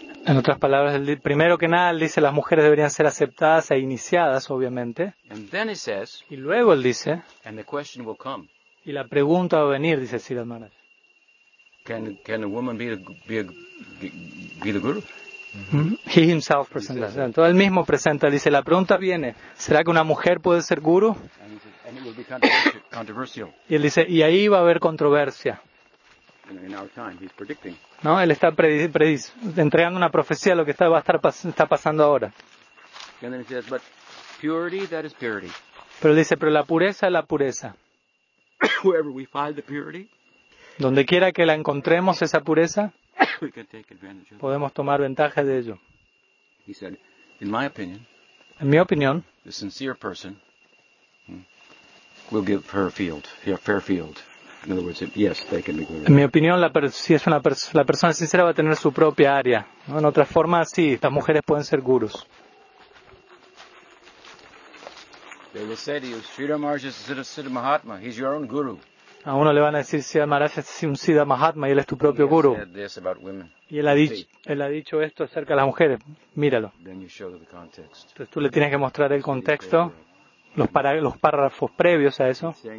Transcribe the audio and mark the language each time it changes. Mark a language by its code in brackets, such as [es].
[es] En otras palabras, primero que nada, él dice las mujeres deberían ser aceptadas e iniciadas, obviamente. [en] And then he says, [es] y luego él dice, [en] and the question will come. [es] Y la pregunta va a venir, dice Siddhartha Maharaj. [en] Can a woman be the guru? He himself presents. [es] Entonces [en] that. [es] Él mismo presenta, dice, la pregunta viene, ¿será que una mujer puede ser guru? [en] And it will be controversial. [es] Y él dice, y ahí va a haber controversia. [en] In our time, he's predicting. [es] No, él está entregando una profecía a lo que está, va a estar está pasando ahora. [en] And then he says, but purity, that is purity. [es] Pero él dice, pero la pureza es la pureza. [en] Wherever we find the purity, [es] donde quiera que la encontremos, esa pureza, [en] we can take advantage of [es] podemos tomar ventaja de ello. [en] He said, in my opinion, [es] en mi opinión, [en] the sincere person will give her a field, a fair field. In other words, yes, they can be good. [es] En mi opinión, la persona sincera va a tener su propia área. ¿No? En otras formas, sí, las mujeres pueden ser gurús. [en] They will say to you, Siddha Maharaj is a Siddha Mahatma. He's your own guru. [es] A uno le van a decir, Siddha Maharaj es un Siddha Mahatma y él es tu propio guru. Y él ha dicho esto acerca de las mujeres. Míralo. [en] Then you show the context. [es] Entonces tú le tienes que mostrar el contexto, los párrafos previos a eso.